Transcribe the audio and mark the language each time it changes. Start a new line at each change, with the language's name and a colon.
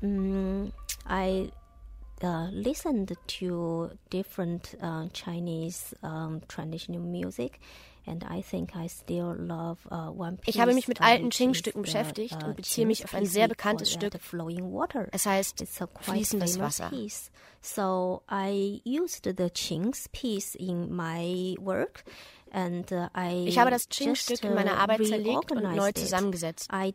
German: Ich habe mich mit alten Qing-Stücken beschäftigt und beziehe mich auf ein sehr bekanntes Stück. Es heißt Fließendes Wasser.
English: So I used the Qing's piece in my work.
German: Ich habe das Qing-Stück in meiner Arbeit zerlegt und neu zusammengesetzt.